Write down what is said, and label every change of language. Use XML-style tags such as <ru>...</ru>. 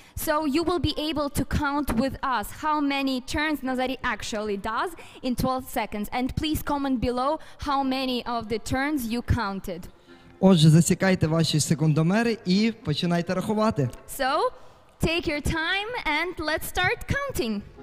<en>So you will be able to count with us how many turns Назарій actually does in 12 seconds. And please comment below how many of the turns you counted.</en> <uk>Отже, засікайте ваші секундомери і починайте рахувати.</uk> <en>So, take your time and let's start counting.</en>